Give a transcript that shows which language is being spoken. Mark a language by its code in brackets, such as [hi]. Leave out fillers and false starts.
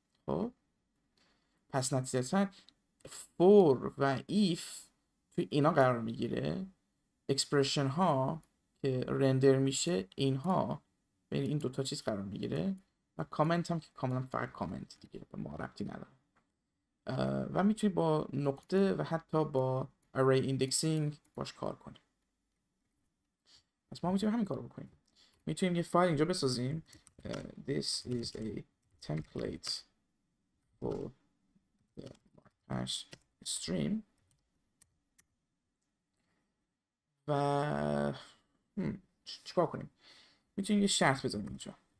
[fa] خب پس نتیجه تر for و if توی اینا قرار میگیره، expression ها که render میشه اینها، یعنی این دوتا چیز قرار میگیره، و کامنت هم که کاملا فقط کامنت دیگه، به ما ربطی نداره. و میتونی با نقطه و حتی با array indexing باش کار کنیم. پس ما میتونیم همین کار رو بکنیم. میتونیم یه فایل اینجا بسازیم. [en] This is a template for the markdash stream. [fa] و چیکار کنیم؟ میتونیم یه شرط بزنیم اینجا.